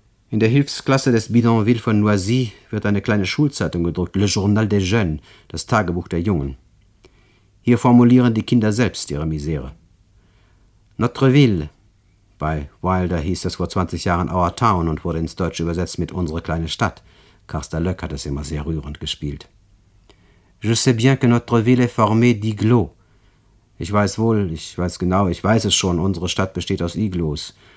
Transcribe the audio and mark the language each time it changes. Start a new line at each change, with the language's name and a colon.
German: In der Hilfsklasse des Bidonville von Noisy wird eine kleine Schulzeitung gedruckt, Le Journal des Jeunes, das Tagebuch der Jungen. Hier formulieren die Kinder selbst ihre Misere. Notre Ville, bei Wilder hieß das vor 20 Jahren Our Town und wurde ins Deutsche übersetzt mit Unsere kleine Stadt. Carsten Löck hat es immer sehr rührend gespielt.
French: Je sais bien que notre ville est formée d'iglos.
German: Ich weiß wohl, ich weiß genau, ich weiß es schon, unsere Stadt besteht aus Iglos.